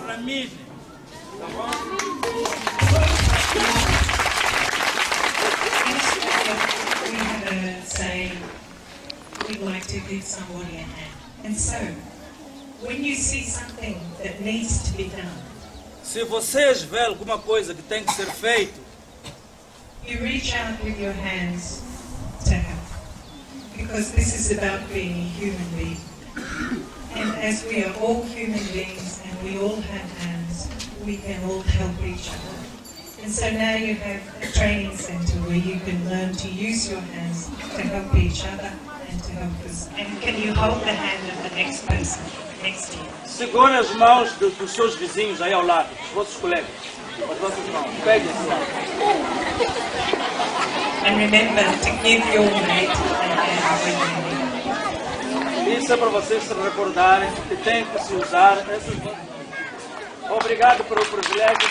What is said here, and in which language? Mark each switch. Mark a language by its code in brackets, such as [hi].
[pt] Chamas-se senhor Ramil. Tá bom? [en] include somebody in that. And so, when you see something that needs to be done, [pt] se vocês vê alguma coisa que tem que ser feito, [en] you reach out with your hands to help. Because this is about being a human being. And as we are all human beings and we all have hands, we can all help each other. And so now you have a training center where you can learn to use your hands to help each other and to help us. And can you hold the hand of the next person? [pt] Segure as mãos dos seus vizinhos aí ao lado, dos vossos colegas, as vossas mãos. Pegue as mãos. [en] And remember to give your mate a hand. [pt] Isso é para vocês se recordarem que tem que se usar essas mãos. Obrigado pelo privilégio.